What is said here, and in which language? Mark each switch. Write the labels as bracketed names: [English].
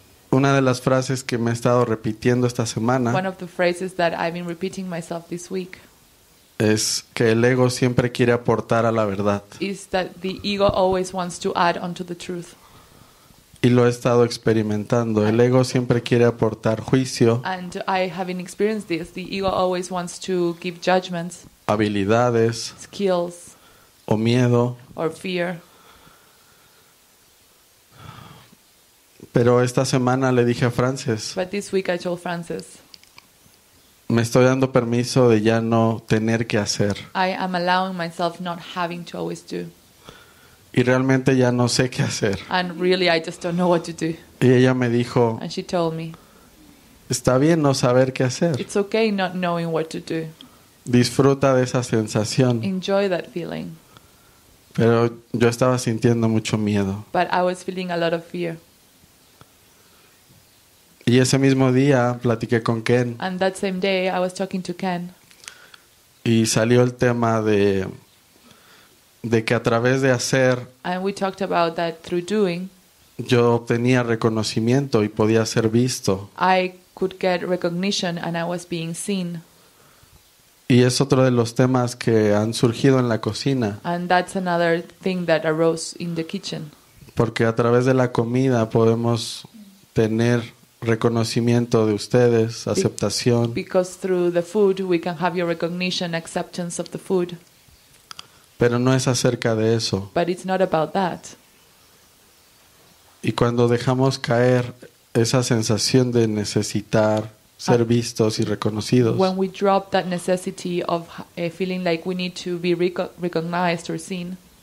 [Spanish] Una de las frases que me he estado repitiendo esta semana. [English] One of the phrases that I've been repeating myself this week. [Spanish] Es que el ego siempre quiere aportar a la verdad. [English] Is that the ego always wants to add onto the truth. [Spanish] Y lo he estado experimentando. El ego siempre quiere aportar juicio. [English] And I have experienced this. The ego always wants to give judgments. [Spanish] Habilidades. [English] Skills. [Spanish] O miedo. [English] Or fear. [Spanish] Pero esta semana le dije a Frances. [English] But this week I told Frances. [Spanish] Me estoy dando permiso de ya no tener que hacer. [English] I am allowing myself not having to always do. [Spanish] Y realmente ya no sé qué hacer. [English] And really I just don't know what to do. [Spanish] Y ella me dijo. [English] And she told me. [Spanish] Está bien no saber qué hacer. [English] It's okay not knowing what to do. [Spanish] Disfruta de esa sensación. [English] Enjoy that feeling. [Spanish] Pero yo estaba sintiendo mucho miedo. [English] But I was feeling a lot of fear. [Spanish] Y ese mismo día platiqué con Ken. [English] And that same day I was talking to Ken. [Spanish] Y salió el tema de que a través de hacer. [English] And we talked about that through doing. [Spanish] Yo obtenía reconocimiento y podía ser visto. [English] I could get recognition and I was being seen. [Spanish] Y es otro de los temas que han surgido en la cocina. [English] And that's another thing that arose in the kitchen. [Spanish] Porque a través de la comida podemos tener reconocimiento de ustedes, aceptación. [English] Because through the food we can have your recognition, acceptance of the food. [Spanish] Pero no es acerca de eso. [English] But it's not about that. [Spanish] Y cuando dejamos caer esa sensación de necesitar ser vistos y reconocidos. [English] When we drop that necessity of feeling like we need to be recognized or seen.